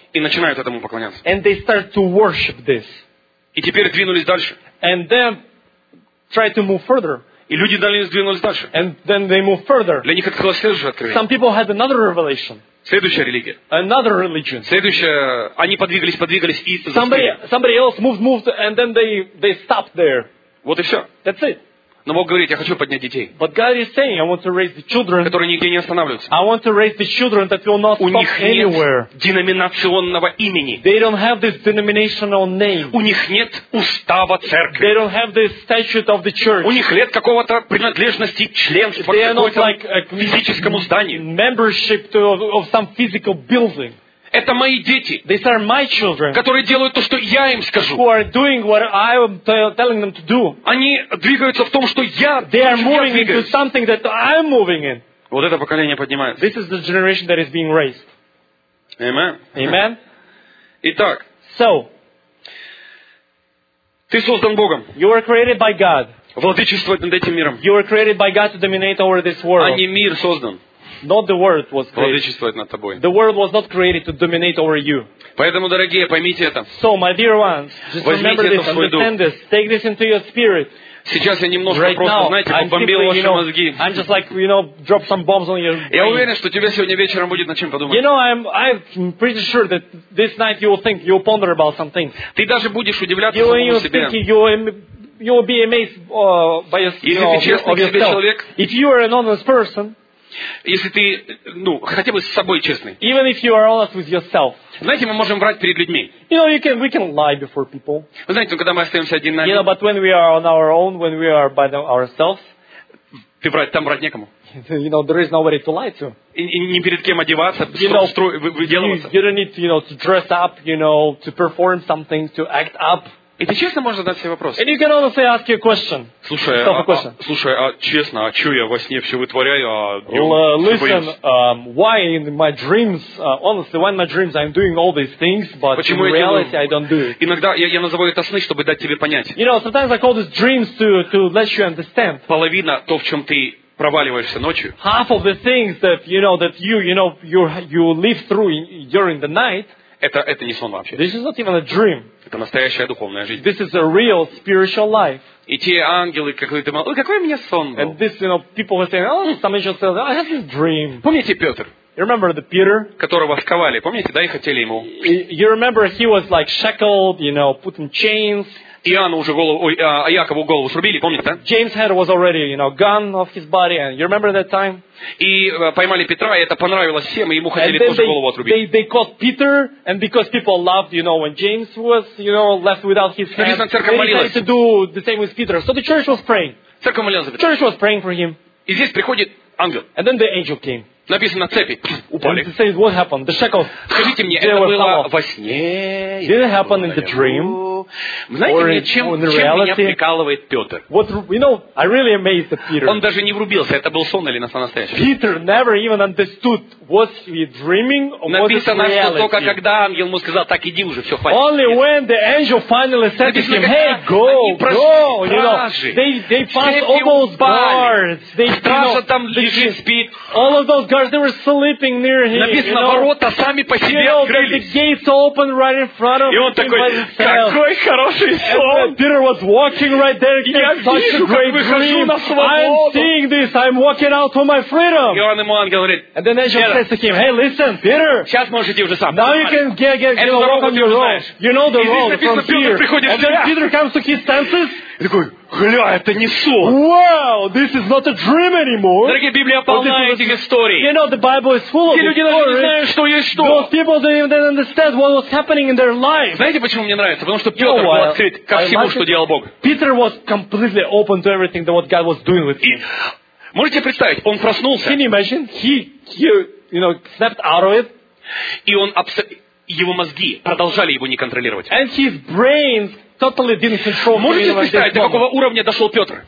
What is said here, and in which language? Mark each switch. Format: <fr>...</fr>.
<ru>И начинают этому поклоняться.</ru> <en>And they start to worship this.</en> <ru>И теперь двинулись дальше.</ru> <en>And then try to move further.</en> <ru>И люди далее сдвинулись дальше.</ru> <en>And then they move further.</en> <ru>Для них открылось следующее откровение.</ru> <en>Some people had another revelation.</en> <ru>Следующая религия.</ru> <en>Another religion.</en> <ru>Следующая. Они подвигались и застряли.</ru> <en>Somebody else moved and then they stopped there.</en> <ru>Вот и все.</ru> <en>That's it.</en> <ru>Но Бог говорит, я хочу поднять детей.</ru> <en>But God is saying, I want to raise the children.</en> <ru>Которые нигде не останавливаются.</ru> <en>I want to raise the children that will not stop anywhere.</en> <ru>У них нет деноминационного имени.</ru> <en>They don't have this denominational name.</en> <ru>У них нет устава церкви.</ru> <en>They don't have the statute of the church.</en> <ru>У них нет какого-то принадлежности членства к какому-то физическому зданию.</ru> <en>Membership of some physical building.</en> <ru>Это мои дети.</ru> <en>These are my children.</en> <ru>Которые делают то, что я им скажу.</ru> <en>Who are doing what I am telling them to do.</en> <ru>Они двигаются в том, что я двигаюсь.</ru> <en>They are moving into something that I am moving in.</en> <ru>Вот это поколение поднимается.</ru> <en>This is the generation that is being raised. Amen. Amen.</en> <ru>Итак.</ru> <en>So.</en> <ru>Ты создан Богом.</ru> <en>You are created by God.</en> <ru>Владычествовать над этим миром.</ru> <en>You were created by God to dominate over this world.</en> <ru>А не мир создан. Not the world was created.</ru> <en>The world was not created to dominate over you.</en> <ru>Поэтому, дорогие, поймите это.</ru> <en>So, my dear ones, just</en> <ru>возьмите</ru> <en>remember this, understand this, take this into your spirit.</en> <ru>Сейчас я немножко</ru> <en>right</en> <ru>просто,</ru> <en>now,</en> <ru>знаете, побомбил ваши мозги.</ru> <en>I'm just like, you know, drop some bombs on your brain.</en> <ru>Я уверен, что тебе сегодня вечером будет над чем подумать.</ru> <en>You know, I'm pretty sure that this night you will think, you will ponder about something.</en> <ru>Ты даже будешь удивляться самому себе.</ru> <en>You will be amazed by yourself.</en> <ru>Если ты честный себе человек.</ru> <en>If you are an honest person.</en> <ru>Если ты, ну, хотя бы с собой честный.</ru> <en>Even if you are honest with yourself.</en> <ru>Знаете, мы можем врать перед людьми.</ru> <en>You know, we can lie before people.</en> <ru>Вы знаете, когда мы остаемся один на один.</ru> <en>You know, but when we are on our own, when we are by ourselves.</en> <ru>Ты врать, там врать некому.</ru> <en>You know, there is nobody to lie to.</en> <ru>И не перед кем одеваться, выделываться.</ru> <en>You don't need to, you know, to dress up, you know, to perform something, to act up.</en> <ru>И ты честно можешь задать себе вопрос.</ru> <en>And you can honestly ask you a question.</en> <ru>Слушай, честно, а что я во сне все вытворяю, а днем все боюсь?</ru> <en>Listen, why in my dreams, honestly, why in my dreams I'm doing all these things, but</en> <ru>почему</ru> <en>in reality</en> <ru>делаю...</ru> <en>I don't do it.</en> <ru>Иногда я называю это сны, чтобы дать тебе понять.</ru> <en>You know, sometimes I call these dreams to let you understand.</en> <ru>Половина то, в чем ты проваливаешься ночью.</ru> <en>Half of the things that you know that you live through during the night.</en> <ru>Это не сон вообще.</ru> <en>This is not even a dream.</en> <ru>Это настоящая духовная жизнь.</ru> <en>This is a real spiritual life.</en> <ru>И те ангелы, которые думают, ой, какой у меня сон был.</ru> <en>And this, you know, people were saying, oh, some angels said, I had this dream.</en> <ru>Помните Петр?</ru> <en>You remember the Peter?</en> <ru>Которого сковали, помните, да, и хотели ему.</ru> <en>You remember he was like shackled, you know, put in chains.</en> <ru>Иоанну уже голову, Якову голову срубили, помните, да?</ru> <en>James head was already, you know, gone off his body, and you remember that time?</en> <ru>И поймали Петра, и это понравилось всем, и ему хотели тоже голову отрубить.</ru> <en>They caught Peter, and because people loved, you know, when James was, you know, left without his hand,</en> <ru>Написано, церковь молилась.</ru> <en>They decided to do the same with Peter. So the church was praying.</en> <ru>Церковь молилась за Петра.</ru> <en>Church was praying for him.</en> <ru>И здесь приходит ангел.</ru> <en>And then the angel came.</en> <ru>Написано, цепи упали.</ru> <en>And says, what happened? The shackles.</en> <ru>Скажите мне, это было во сне?</ru> <en>Did it happen in the dream?</en> <ru>Знаете, чем меня прикалывает Петр?</ru> <en>I really amazed Peter.</en> <ru>Он даже не врубился, это был сон или настоящий.</ru> <en>Peter never even understood, was he dreaming or was it reality?</en> <ru>Написано, что только когда ангел ему сказал, так иди уже, все, хватит.</ru> <en>Only when the angel finally said to him, hey, go, go, you know, they passed all those guards.</en> <ru>Стража там лежит, спит.</ru> <en>All of those guards, they were sleeping near him.</en> <ru>Написано, ворота сами по себе открылись.</ru> <en>The gates opened right in front of him.</en> <ru>И он такой, какой хороший сон.</ru> <en>And Peter was walking right there.</en> <ru>Я вижу, как выхожу на свободу.</ru> <en>I'm seeing this. I'm walking out to my freedom.</en> <ru>И он ему ангел говорит,</ru> <en>and then angel says to him, hey, listen, Peter.</en> <ru>Сейчас можешь идти уже сам.</ru> <en>Now you can get</en> <ru>эту дорогу ты уже знаешь.</ru> <en>You know the road from here.</en> <ru>Приходит</ru> <en>and then Peter comes to his senses.</en> <ru>И такой, гля, это не сон.</ru> <en>Wow, this is not a dream anymore.</en> <ru>Дорогие, Библия полна этих историй.</ru> <en>You know, the Bible is full of these stories.</en> <ru>Те люди даже не знают, что есть что.</ru> <en>Those people don't even understand what was happening in their life.</en> <ru>Знаете, почему мне нравится? Потому что Петр был открыт ко всему, что делал Бог.</ru> <en>Peter was completely open to everything that what God was doing with him.</en> <ru>Можете представить, он проснулся.</ru> <en>Can you imagine? He snapped out of it.</en> <ru>И он его мозги продолжали его не контролировать.</ru> <en>And his brains totally didn't control.</en> <ru>Можете представить, до какого уровня дошел Петр?</ru>